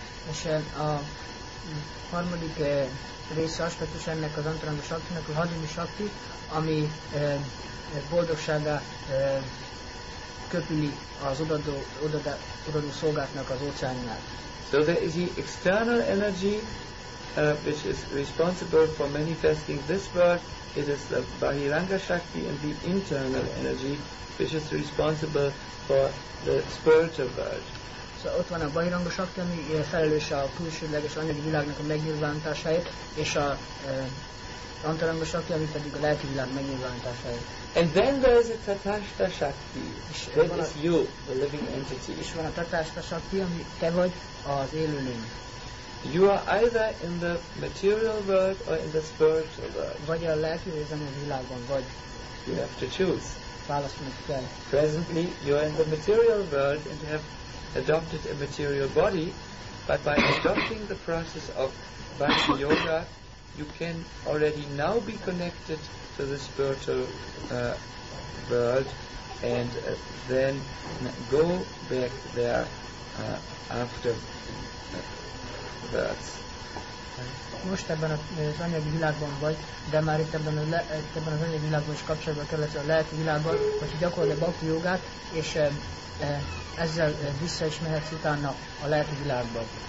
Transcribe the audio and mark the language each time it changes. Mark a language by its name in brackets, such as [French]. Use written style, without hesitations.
[Hungarian] És a harmadik része aspektus ennek az antaranga saktinak, a hadini sakti, ami boldogságá köpüli az odadó szolgáknak az óceánnál. [English] So there is the external energy which is responsible for manifesting this world. It is the Bahiranga Shakti, and the internal energy which is responsible for the spiritual world. [Hungarian] Szóval ott van a Bahiranga Shakti, ami felelős a külsődleges anyagi világnak a megnyilvánításáért, és a Antaranga Shakti, ami pedig a lelki világ megnyilvánításáért. [English] And then there is a Tathashta Shakti, that is you, the living entity. [Hungarian] És van a Tathashta Shakti, ami te vagy, az élőlény. [English] You are either in the material world or in the spiritual world. [Hungarian] Vagy a lelki vagy az anyagi világban vagy. [English] You have to choose. [Hungarian] Válaszolni kell. [English] Presently you are in the material world and have adopted a material body, but by adopting the process of Bhakti Yoga, you can already now be connected to the spiritual world, and then go back there afterwards. [Hungarian] Most ebben az anyagi világban vagy, de már itt ebben az anyagi világban is kapcsolatban kerülhetsz a lelki világban, hogyha gyakorlod a Bhakti Yogát, és ezzel vissza is mehetsz utána a lelki világba.